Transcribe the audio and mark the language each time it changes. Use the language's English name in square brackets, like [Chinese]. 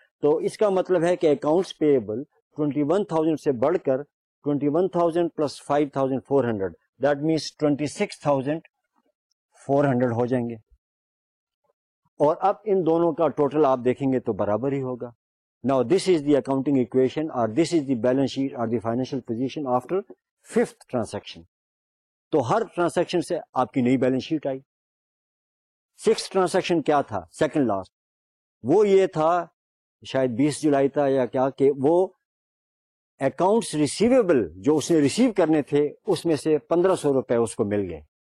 [Urdu] تو اس کا مطلب ہے کہ اکاؤنٹس پیبل 21,000 سے بڑھ کر 21,000 پلس 5,400 دیٹ مینس 26,400 ہو جائیں گے, اور اب ان دونوں کا ٹوٹل آپ دیکھیں گے تو برابر ہی ہوگا. [English] Now this is the accounting equation or this is the balance sheet or the financial position after fifth transaction. [Urdu] تو ہر ٹرانزیکشن سے آپ کی نئی بیلنس شیٹ آئی. سکس ٹرانزیکشن کیا تھا سیکنڈ لاسٹ, وہ یہ تھا شاید 20 July تھا یا کیا, کہ وہ اکاؤنٹس ریسیویبل جو اس نے ریسیو کرنے تھے اس میں سے 1500 rupees اس کو مل گئے.